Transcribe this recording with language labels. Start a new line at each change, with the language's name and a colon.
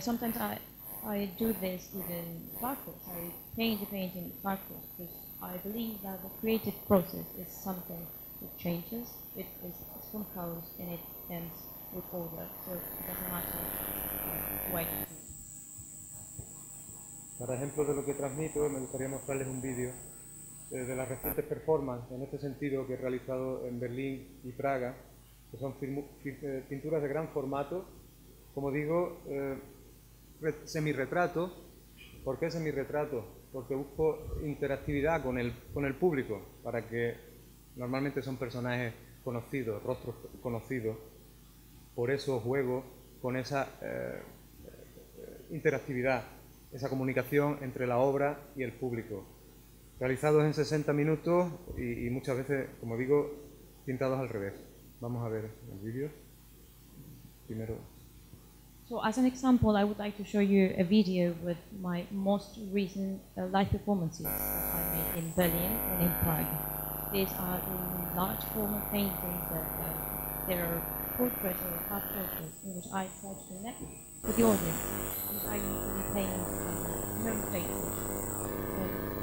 English: sometimes I do this even backwards. I paint the painting backwards because I believe that the creative process is something that changes. It is composed and it ends with order, so it doesn't matter when.
Spanish: Para ejemplo de lo que transmito, me gustaría mostrarles un vídeo de las recientes performances en este sentido que he realizado en Berlín y Praga, que son pinturas de gran formato, como digo, semi-retrato. ¿Por qué semi-retrato? Porque busco interactividad con el público, para que normalmente son personajes conocidos, rostros conocidos, por eso juego con esa interactividad, esa comunicación entre la obra y el público. Realizados en 60 minutos y muchas veces, como digo, pintados al revés. Vamos a ver el vídeo. Primero.
English: So as an example, I would like to show you a video with my most recent live performances that I made in Berlin and in Prague. These are large format paintings that they are portraits or half portraits in which I try to connect with the audience, which I usually paint no faces.